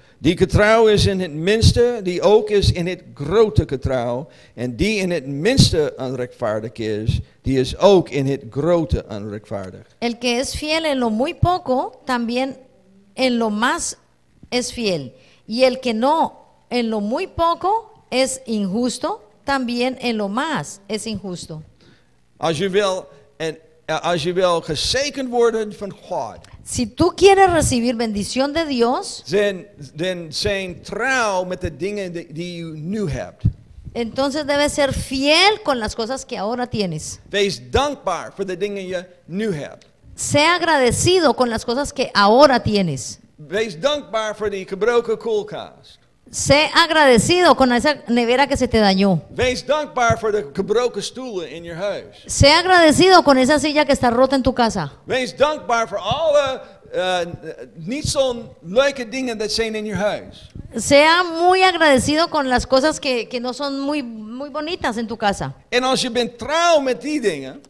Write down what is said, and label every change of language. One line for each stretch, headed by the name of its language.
Dutch: Die getrouw is in het minste, die ook is in het grote getrouw. En die in het minste onrechtvaardig is, die is ook in het grote onrechtvaardig.
Spanish: El que es fiel en lo muy poco, también en lo más es fiel. Y el que no en lo muy poco es injusto. También en lo más es injusto.
Dutch: Als je wil gezegend worden van God.
Spanish: Si tú quieres recibir bendición de Dios.
Dutch: Then zijn trouw met de dingen die je nu hebt.
Spanish: Entonces debes ser fiel con las cosas que ahora tienes.
Dutch: Wees dankbaar voor de dingen je nu hebt.
Spanish: Sé agradecido con las cosas que ahora tienes.
Dutch: Wees dankbaar voor die gebroken koelkast.
Spanish: Sé agradecido con esa nevera que se te dañó.
Dutch: Wees dankbaar voor de gebroken stoelen in je huis.
Spanish: Sé agradecido con esa silla que está rota en tu casa.
Dutch: Wees dankbaar voor alle niet zo leuke dingen dat zijn in je huis.
Spanish: Sea muy agradecido con las cosas que no son muy, muy bonitas en tu casa.
Dutch: En als je bent trouw met die dingen.